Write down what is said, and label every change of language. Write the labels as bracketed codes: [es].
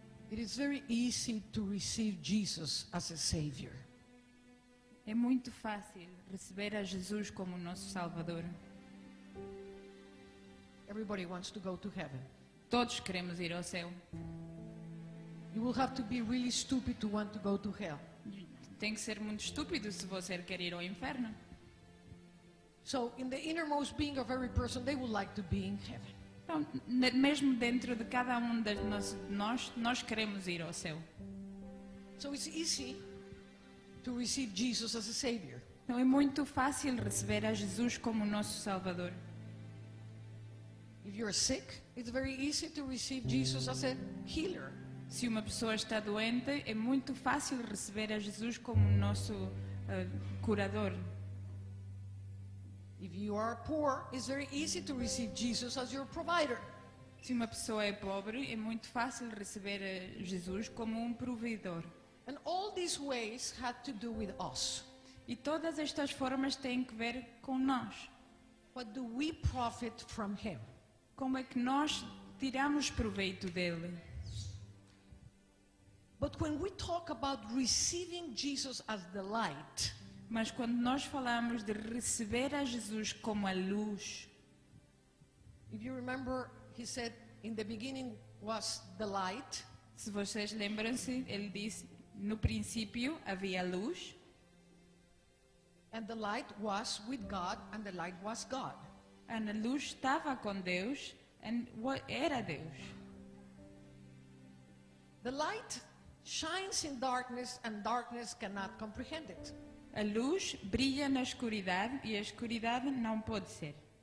[en] It's very easy to receive Jesus as a savior. [pt] É muito fácil receber a Jesus como nosso Salvador. [en] Everybody wants to go to heaven. [pt] Todos queremos ir ao céu. [en] You will have to be really stupid to want to go to hell. [pt] Tem que ser muito estúpido se você quer ir ao inferno. [en] So in the innermost being of every person, they would like to be in heaven. [pt] Mesmo dentro de cada de nós queremos ir ao céu. [en] So it's easy to receive Jesus as a savior. [pt] Então é muito fácil receber a Jesus como nosso Salvador. [en] If you're sick, it's very easy to receive Jesus as a healer. [pt] Se uma pessoa está doente, é muito fácil receber a Jesus como nosso curador. [en] If you are poor, it's very easy to receive Jesus as your provider. [pt] Se uma pessoa é pobre, é muito fácil receber Jesus como provedor. [en] And all these ways had to do with us. [pt] E todas estas formas têm que ver com nós. [en] What do we profit from him? [pt] Como é que nós tiramos proveito dele? [en] But when we talk about receiving Jesus as the light, [pt] mas quando nós falamos de receber a Jesus como a luz, [en] if you remember, he said, in the beginning was the light. [pt] Se vocês lembram-se, ele disse, no princípio havia luz. [en] And the light was with God, and the light was God. [pt] And a luz estava com Deus, [en] and what [pt] era Deus? [en] The light shines in darkness, and darkness cannot comprehend it. [pt] A luz brilha na escuridão e a escuridão não pode ser.